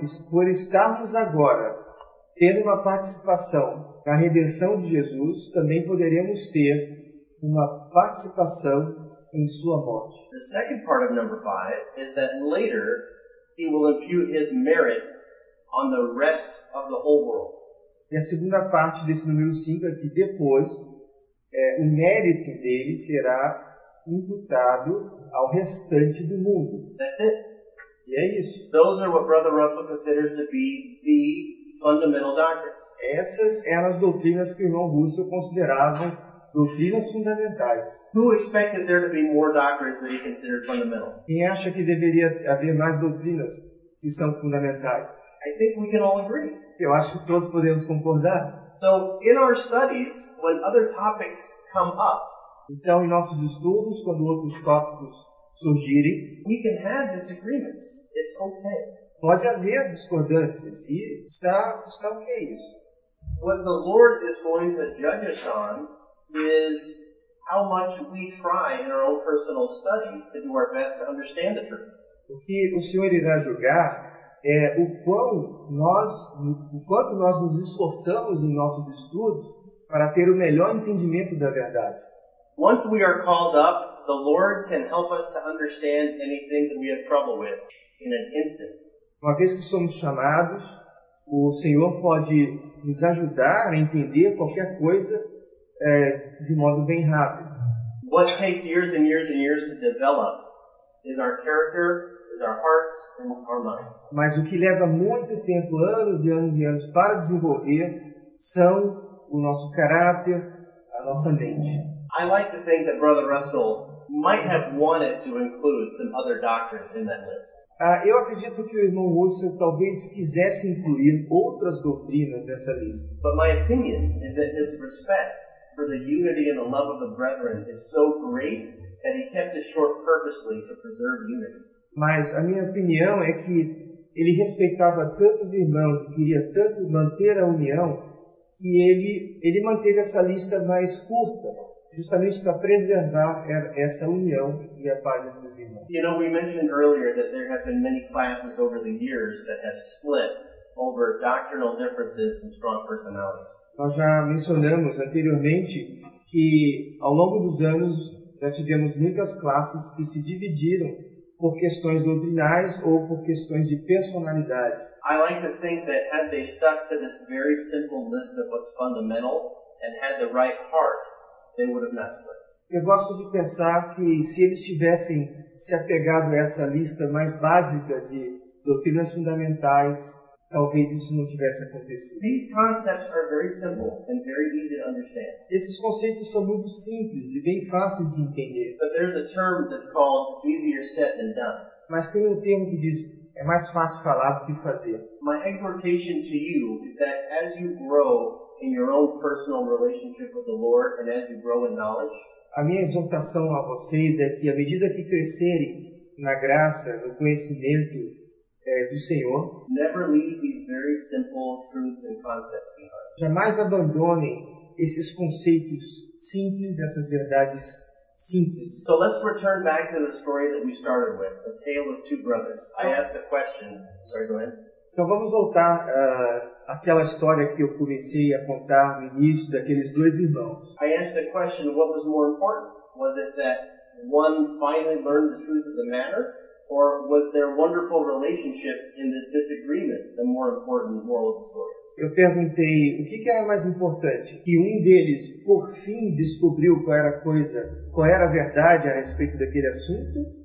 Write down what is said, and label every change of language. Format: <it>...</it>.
<pt>Por estarmos agora tendo uma participação na redenção de Jesus, também poderemos ter uma participação em sua morte.</pt> <en>The second part of number 5 is that later he will impute his merit on the rest of the whole world.</en> <pt>E a segunda parte desse número 5 é que depois o mérito dele será imputado ao restante do mundo.</pt> <en>That's it.</en> <pt>E é isso.</pt> <en>Those are what Brother Russell considers to be the fundamental doctrines.</en> <pt>Essas eram as doutrinas que o irmão Russell considerava doutrinas fundamentais.</pt> <en>Who expected there to be more doctrines that he considered fundamental?</en> <pt>Quem acha que deveria haver mais doutrinas que são fundamentais?</pt> <en>I think we can all agree.</en> <pt>Eu acho que todos podemos concordar.</pt> <en>So, in our studies, when other topics come up,</en> <pt>então, em nossos estudos, quando outros tópicos surgirem,</pt> <en>we can have disagreements. It's okay.</en> <pt>Pode haver discordâncias e está ok isso.</pt> <en>What the Lord is going to judge us on is how much we try in our own personal studies to do our best to understand the truth.</en> <pt>O que o Senhor irá julgar é o quanto nós nos esforçamos em nossos estudos para ter o melhor entendimento da verdade.</pt> <en>Once we are called up, the Lord can help us to understand anything that we have trouble with in an instant.</en> <pt>Uma vez que somos chamados, o Senhor pode nos ajudar a entender qualquer coisa de modo bem rápido.</pt> <en>What takes years and years and years to develop is our character, our hearts and our minds.</en> <pt>Mas o que leva muito tempo, anos e anos e anos, para desenvolver são o nosso caráter, a nossa mente.</pt> <en>I like to think that Brother Russell might have wanted to include some other doctrines in that list.</en> <pt>Eu acredito que o irmão Russell talvez quisesse incluir outras doutrinas nessa lista.</pt> <en>But my opinion is that his respect for the unity and the love of the brethren is so great that he kept it short purposely to preserve unity.</en> <pt>Mas a minha opinião é que ele respeitava tantos irmãos e queria tanto manter a união que ele manteve essa lista mais curta, justamente para preservar essa união e a paz entre os irmãos.</pt> <en>You know, we mentioned earlier that there have been many classes over the years that have split over doctrinal differences and strong personalities.</en> <pt>Nós já mencionamos anteriormente que ao longo dos anos já tivemos muitas classes que se dividiram por questões doutrinais ou por questões de personalidade.</pt> <en>I like to think that had they stuck to this very simple list of what's fundamental and had the right heart, they would have not split.</en> <pt>Eu gosto de pensar que se eles tivessem se apegado a essa lista mais básica de doutrinas fundamentais, talvez isso não tivesse acontecido.</pt> <en>These concepts are very simple and very easy to understand.</en> <pt>Esses conceitos são muito simples e bem fáceis de entender.</pt> <en>But there's a term that's called it's easier said than done.</en> <pt>Mas tem um termo que diz é mais fácil falar do que fazer.</pt> <en>My exhortation to you is that as you grow in your own personal relationship with the Lord and as you grow in knowledge.</en> <pt>A minha exortação a vocês é que à medida que crescerem na graça, no conhecimento do Senhor,</pt> <en>never leave these very simple truths and concepts behind.</en> <pt>Jamais abandone esses conceitos simples, essas verdades simples.</pt> <en>So let's return back to the story that we started with, the tale of two brothers. I asked a question. Sorry, go ahead.</en> <pt>Então vamos voltar àquela história que eu comecei a contar no início daqueles dois irmãos.</pt> <en>I asked the question, what was more important? Was it that one finally learned the truth of the matter? Or was their wonderful relationship in this disagreement the more important moral of the story?</en> <pt>Eu perguntei, o que era mais importante? Que um deles, por fim, descobriu qual era a coisa, qual era a verdade a respeito daquele assunto?</pt>